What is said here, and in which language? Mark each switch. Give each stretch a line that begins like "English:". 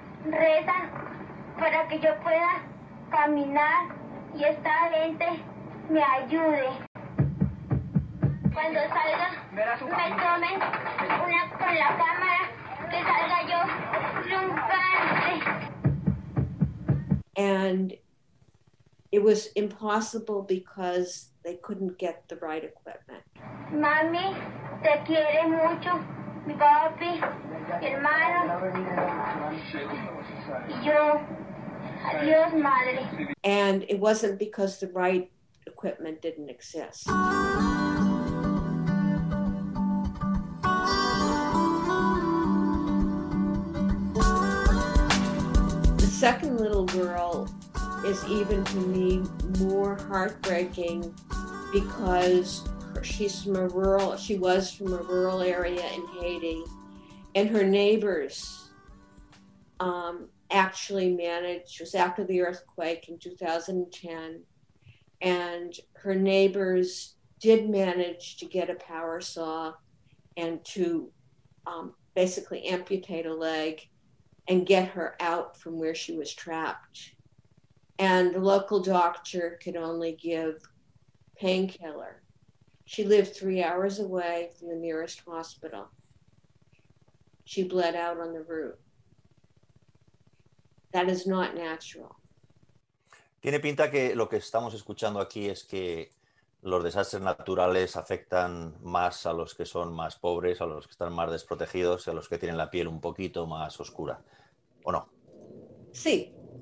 Spanish: Rezan para que yo pueda caminar y esta gente me ayude. Cuando salga, me tomen una con la cámara, que salga yo triunfante.
English: And it was impossible because they couldn't get the right equipment.
Spanish: Mami, te quiere mucho, mi papi, mi hermano, y yo, adiós, madre.
English: And it wasn't because the right equipment didn't exist. The second little girl is even to me more heartbreaking because she was from a rural area in Haiti, and her neighbors was after the earthquake in 2010, and her neighbors did manage to get a power saw and to basically amputate a leg and get her out from where she was trapped. And the local doctor could only give painkiller. She lived 3 hours away from the nearest hospital. She bled out on the route. That is not natural.
Spanish: Tiene pinta que lo que estamos escuchando aquí es que los desastres naturales afectan más a los que son más pobres, a los que están más desprotegidos, a los que tienen la piel un poquito más oscura, ¿o no? Sí.